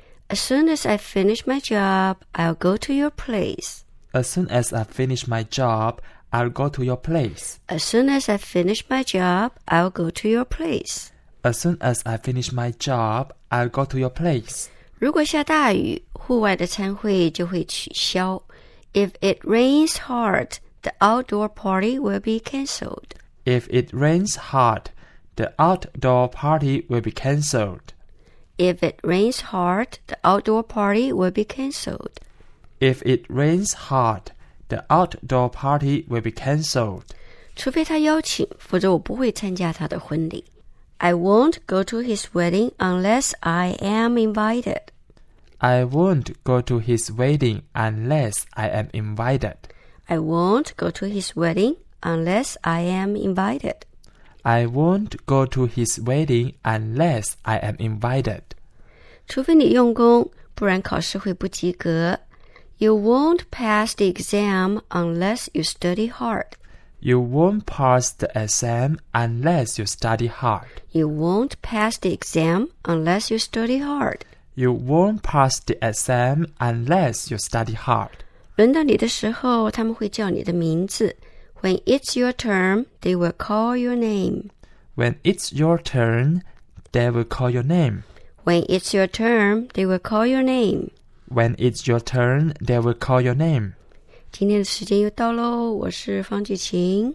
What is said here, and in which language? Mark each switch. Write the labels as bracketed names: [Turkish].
[English] As soon as I finish my job, I'll go to your place. As soon as I finish my job, I'll go to your place. As soon as I finish my job, I'll go to your place. As soon as I finish my job, I'll go to your place. [Chinese] 如果下大雨，户外的餐会就会取消。 [English] If it rains hard, the outdoor party will be cancelled. If it rains hard, the outdoor party will be cancelled. If it rains hard, the outdoor party will be cancelled. If it rains hard, the outdoor party will be cancelled. [Chinese] 除非他邀请，否则我不会参加他的婚礼。 [English] I won't go to his wedding unless I am invited. I won't go to his wedding unless I am invited. I won't go to his wedding unless I am invited. I won't go to his wedding unless I am invited. [Chinese] 除非你用功，不然考试会不及格。 [English] You won't pass the exam unless you study hard. You won't pass the exam unless you study hard. You won't pass the exam unless you study hard. You won't pass the exam unless you study hard. [Chinese] 轮到你的时候，他们会叫你的名字。 [English] When it's your turn, they will call your name. When it's your turn, they will call your name. When it's your turn, they will call your name. When it's your turn, they will call your name. [Chinese] 今天的时间又到咯，我是方季晴，